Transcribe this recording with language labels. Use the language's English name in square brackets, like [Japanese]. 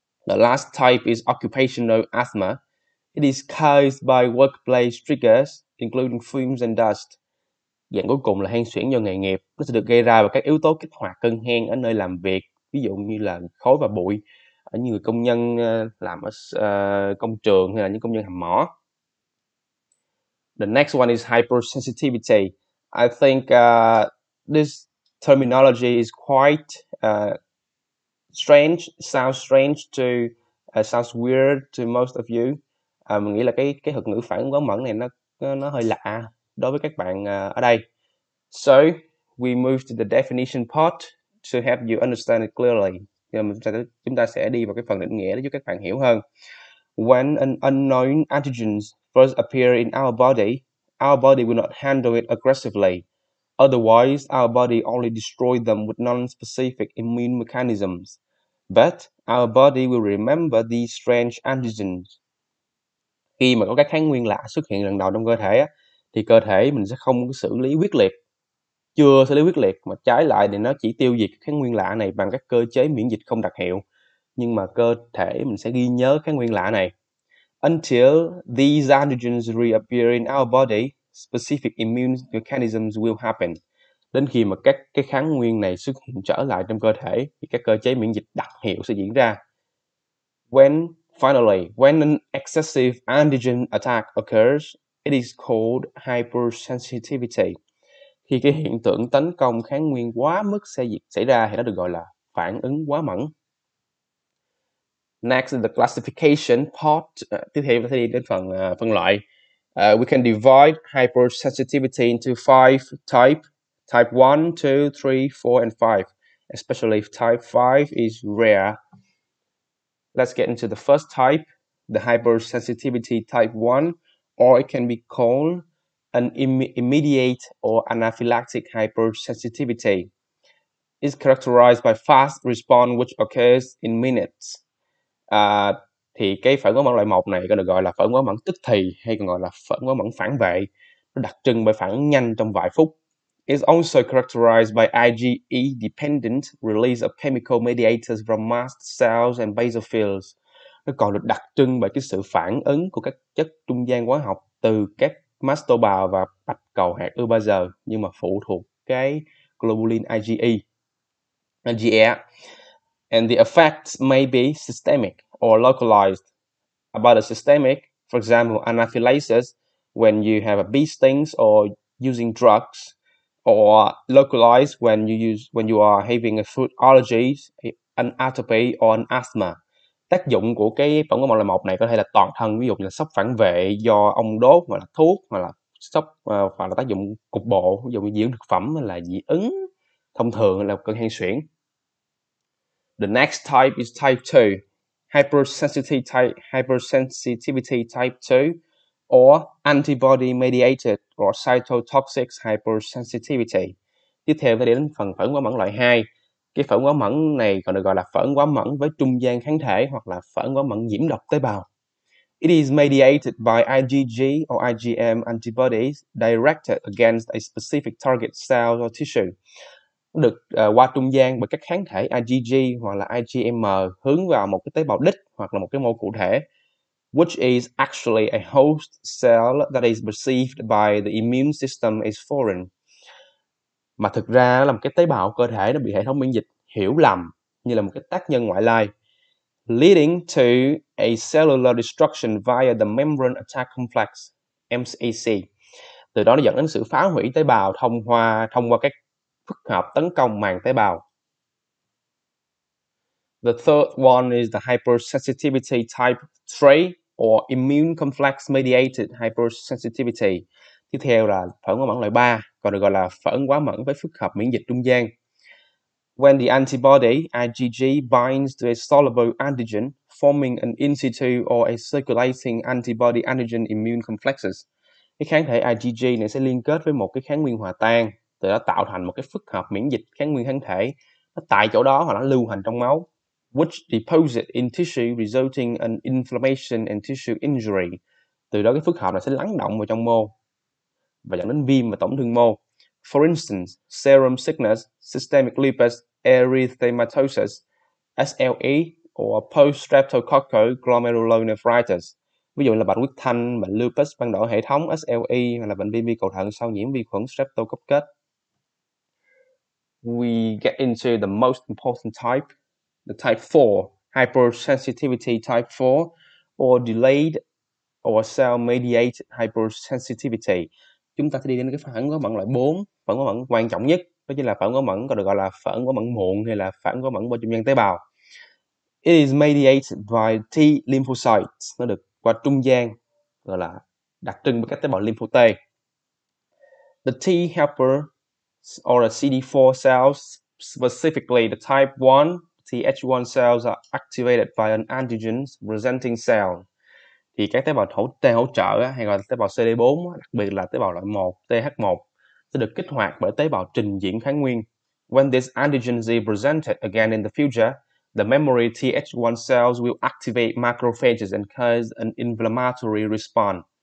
[English] The last type is occupational asthma. It is caused by workplace triggers, including fumes and dust. [Vietnamese] Dạng cuối cùng là hen suyễn do nghề nghiệp. Nó sẽ được gây ra bởi các yếu tố kích hoạt cơn hen ở nơi làm việc, ví dụ như là khói và bụi ở những người công nhân làm ở công trường hay là những công nhân hầm mỏ. [English] The next one is hypersensitivity. I think this terminology is quite strange, sounds weird to most of you. [Vietnamese] Mình nghĩ là cái thuật ngữ phản ứng quá mẫn này nó hơi lạ đối với các bạn ở đây. [English] So we move to the definition part to help you understand it clearly. [Vietnamese] Chúng ta sẽ đi vào cái phần định nghĩa để giúp các bạn hiểu hơn. [English] When an unknown antigen first appears in our body will not handle it aggressively. Otherwise, our body only destroys them with non-specific immune mechanisms. But our body will remember these strange antigens. [Vietnamese] Khi mà có cái kháng nguyên lạ xuất hiện lần đầu trong cơ thể á, thì cơ thể mình sẽ không có xử lý quyết liệt. Chưa xử lý quyết liệt mà trái lại thì nó chỉ tiêu diệt kháng nguyên lạ này bằng các cơ chế miễn dịch không đặc hiệu. Nhưng mà cơ thể mình sẽ ghi nhớ kháng nguyên lạ này. [English] Until these antigens reappear in our body, specific immune mechanisms will happen. [Vietnamese] Đến khi mà các cái kháng nguyên này xuất hiện trở lại trong cơ thể thì các cơ chế miễn dịch đặc hiệu sẽ diễn ra. [English] When an excessive antigen attack occurs, it is called hypersensitivity. [Vietnamese] Khi cái hiện tượng tấn công kháng nguyên quá mức xảy ra thì nó được gọi là phản ứng quá mẫn. [English] Next, the classification part. [Vietnamese] Tiếp theo là sẽ đi đến phần phân loại. [English] We can divide hypersensitivity into five types. Type 1, 2, 3, 4, and 5. Especially if type 5 is rare. Let's get into the first type, the hypersensitivity type 1, or it can be called an immediate or anaphylactic hypersensitivity. It's characterized by fast response which occurs in minutes. [Vietnamese] Thì cái phản ứng quá mẫn loại 1 này có được gọi là phản ứng quá mẫn tức thì hay còn gọi là phản ứng quá mẫn phản vệ. Nó đặc trưng bởi phản ứng nhanh trong vài phút. [English] It's also characterized by IgE-dependent release of chemical mediators from mast cells and basophils. [Vietnamese] Nó còn được đặc trưng bởi cái sự phản ứng của các chất trung gian hóa học từ các mast tế bào và bạch cầu hạt ưa bao giờ, nhưng mà phụ thuộc cái globulin IgE. [English] Yeah. And the effects may be systemic or localized. About a systemic, for example, anaphylaxis when you have a bee stings or using drugs. Or localized when you are having a food allergies, an atopy or an asthma. [Vietnamese] Tác dụng của cái phản ứng loại một này có thể là toàn thân, ví dụ như là sốc phản vệ do ông đốt hoặc là thuốc, hoặc là sốc hoặc là tác dụng cục bộ, ví dụ như dị ứng thực phẩm hay là dị ứng thông thường là cơn hen suyễn. [English] The next type is type 2, hypersensitivity type 2. Or antibody-mediated or cytotoxic hypersensitivity. [Vietnamese] Tiếp theo phải đến phần phản ứng quá mẫn loại 2. Cái phản ứng quá mẫn này còn được gọi là phản ứng quá mẫn với trung gian kháng thể hoặc là phản ứng quá mẫn nhiễm độc tế bào. [English] It is mediated by IgG or IgM antibodies directed against a specific target cell or tissue. [Vietnamese] Được qua trung gian bởi các kháng thể IgG hoặc là IgM hướng vào một cái tế bào đích hoặc là một cái mô cụ thể. [English] Which is actually a host cell that is perceived by the immune system as foreign. [Vietnamese] Mà thực ra là một cái tế bào cơ thể nó bị hệ thống miễn dịch hiểu lầm như là một cái tác nhân ngoại lai. [English] Leading to a cellular destruction via the membrane attack complex, MAC. [Vietnamese] Từ đó nó dẫn đến sự phá hủy tế bào thông qua các phức hợp tấn công màng tế bào. [English] The third one is the hypersensitivity type 3 or immune complex mediated hypersensitivity. [Vietnamese] Tiếp theo là phản ứng quá mẫn loại 3, còn được gọi là phản ứng quá mẫn với phức hợp miễn dịch trung gian. [English] When the antibody IgG binds to a soluble antigen, forming an in situ or a circulating antibody antigen immune complexes. [Vietnamese] Cái kháng thể IgG này sẽ liên kết với một cái kháng nguyên hòa tan, từ đó tạo thành một cái phức hợp miễn dịch kháng nguyên kháng thể nó tại chỗ đó hoặc nó lưu hành trong máu. [English] Which deposit in tissue resulting in inflammation and tissue injury. [Vietnamese] Từ đó cái phức hợp này sẽ lắng động vào trong mô và dẫn đến viêm và tổn thương mô. [English] For instance, serum sickness, systemic lupus erythematosus, SLE or post-streptococcal glomerulonephritis. [Vietnamese] Ví dụ như là bệnh huyết thanh, bệnh lupus ban đỏ hệ thống SLE hoặc là bệnh viêm vi cầu thận sau nhiễm vi khuẩn streptococcus. [English] We get into the most important type. The type 4, hypersensitivity type 4, or delayed or cell-mediated hypersensitivity. [Vietnamese] Chúng ta sẽ đi đến cái phản ứng quá mẫn loại 4, phản ứng quá mẫn quan trọng nhất, đó chính là phản ứng quá mẫn, còn được gọi là phản ứng quá mẫn muộn hay là phản ứng quá mẫn qua trung gian tế bào. [English] It is mediated by T lymphocytes, [Vietnamese] nó được qua trung gian, gọi là đặc trưng bởi các tế bào lympho T. [English] The T helper, or the CD4 cells, specifically the type 1, TH1 cells are activated by an antigen presenting cell. [Vietnamese] Thì các tế bào hỗ trợ hay gọi là tế bào CD4, đặc biệt là tế bào loại 1, TH1, sẽ được kích hoạt bởi tế bào trình diễn kháng nguyên. [English] When this antigen is presented again in the future, the memory Th1 cells will activate macrophages and cause an inflammatory response.